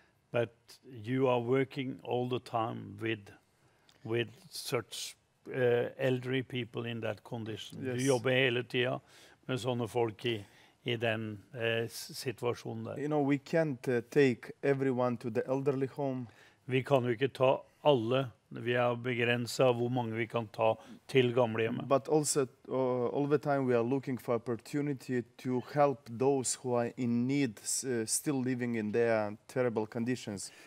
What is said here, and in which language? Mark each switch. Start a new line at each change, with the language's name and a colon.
English: But you are working all the time with such elderly people in that condition.
Norwegian: Yes. Du jobber hele tiden med sånne folk i den situasjonen der.
English: You know, we can't take everyone to the elderly home.
Norwegian: Vi kan jo ikke ta alle. Vi er begrenset hvor mange vi kan ta til gamlehjemmet.
English: But also, all the time we are looking for opportunity to help those who are in need, still living in their terrible conditions.